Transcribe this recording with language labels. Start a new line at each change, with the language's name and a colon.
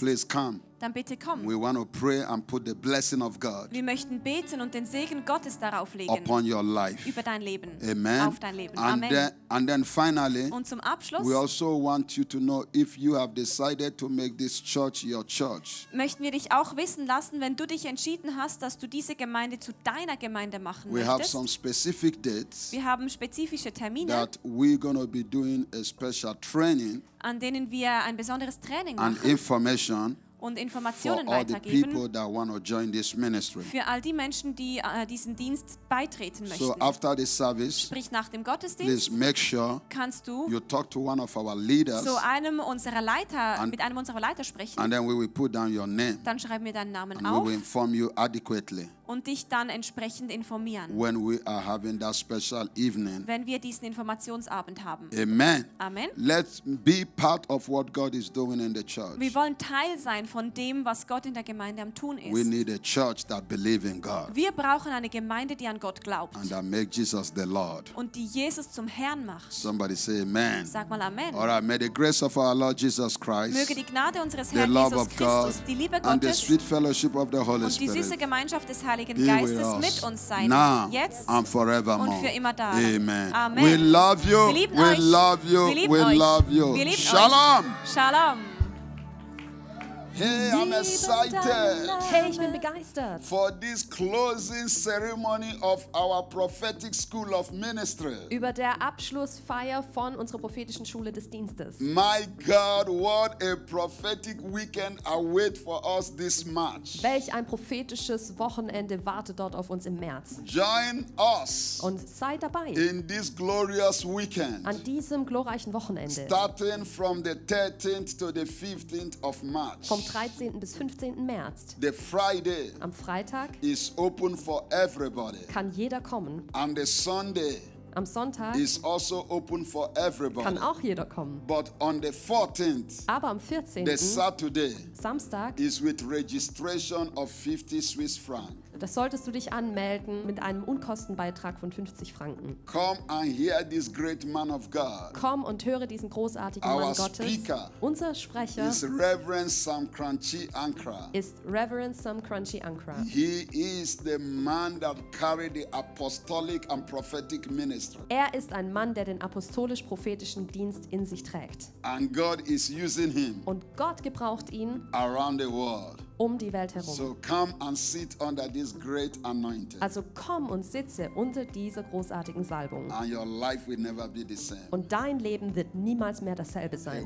English: please come.
German: Dann bitte komm.
English: We want to pray and put the blessing of God.
German: Wir möchten beten und den Segen Gottes darauf legen.
English: Upon your life.
German: Über dein Leben.
English: Amen.
German: Auf dein Leben.
English: And
German: Amen.
English: And then finally,
German: und zum Abschluss,
English: we also want you to know if you have decided to make this church your church.
German: Möchten wir dich auch wissen lassen, wenn du dich entschieden hast, dass du diese Gemeinde zu deiner Gemeinde machen
English: we
German: möchtest.
English: We have some specific dates.
German: Wir haben spezifische Termine.
English: That we're going to be doing a special training.
German: An denen wir ein besonderes Training
English: and
German: machen.
English: And information.
German: Und Informationen
English: for all
German: weitergeben
English: the people that want to join this ministry.
German: Für all die Menschen, die diesen Dienst beitreten möchten.
English: So after the service,
German: sprich nach dem Gottesdienst,
English: please make sure
German: kannst du
English: you talk to one of our leaders,
German: so einem unserer Leiter, and, mit einem unserer Leiter sprechen
English: and then we will put down your name,
German: dann schreiben wir deinen Namen
English: and
German: auf
English: we will inform you adequately.
German: und dich dann entsprechend informieren.
English: When we are having that special evening.
German: Wenn wir diesen Informationsabend haben.
English: Amen.
German: Amen.
English: Let's be part of what God is doing in the church.
German: Wir wollen Teil sein von dem, was Gott in der Gemeinde am Tun ist.
English: We need a church that believes in God.
German: Wir brauchen eine Gemeinde, die an Gott glaubt.
English: And that makes Jesus the Lord.
German: Und die Jesus zum Herrn macht.
English: Somebody say amen.
German: Sag mal amen.
English: All right, may the grace of our Lord Jesus Christ.
German: Möge die Gnade unseres Herrn Jesus Christus,
English: God,
German: die Liebe Gottes
English: and the sweet fellowship of the Holy Spirit.
German: Und die süße Gemeinschaft des Heiligen Geistes
English: be with us
German: mit uns sein.
English: Now,
German: jetzt
English: and forevermore.
German: Und für immer da.
English: Amen.
German: Amen.
English: We love you.
German: Wir lieben
English: we
German: euch.
English: Love you.
German: Wir lieben
English: we
German: euch.
English: Love you.
German: Wir lieben
English: Shalom.
German: Euch. Shalom.
English: Hey, I'm excited.
German: Hey, ich bin begeistert.
English: For this closing ceremony of our prophetic school of ministry.
German: Über der Abschlussfeier von unserer prophetischen Schule des Dienstes.
English: My God, what a prophetic weekend await for us this March.
German: Welch ein prophetisches Wochenende wartet dort auf uns im März.
English: Join us.
German: Und sei dabei.
English: In this glorious weekend.
German: An diesem glorreichen Wochenende.
English: Starting from the 13th to the 15th of March.
German: Vom 13. bis 15. März.
English: The Friday
German: am Freitag
English: is open for everybody.
German: Kann jeder kommen.
English: And the Sunday
German: am Sonntag
English: is also open for everybody.
German: Kann auch jeder kommen.
English: But on the 14th,
German: aber am 14.
English: the Saturday
German: Samstag
English: is with registration of 50 Swiss francs.
German: Das solltest du dich anmelden mit einem Unkostenbeitrag von 50 Franken.
English: Come and hear this great man of God.
German: Komm und höre diesen großartigen Mann
English: Our
German: Gottes.
English: Speaker
German: unser Sprecher
English: is Reverend Sam Crunchy Ankra.
German: Ist Reverend Sam Crunchy Ankra.
English: He is the man that carried the apostolic and prophetic ministry.
German: Er ist ein Mann, der den apostolisch-prophetischen Dienst in sich trägt.
English: And God is using him
German: und Gott gebraucht ihn
English: around the world.
German: Um die Welt herum.
English: So come and sit under this great anointing.
German: Also komm und sitze unter dieser großartigen Salbung.
English: And your life will never be the same.
German: Und dein Leben wird niemals mehr dasselbe sein.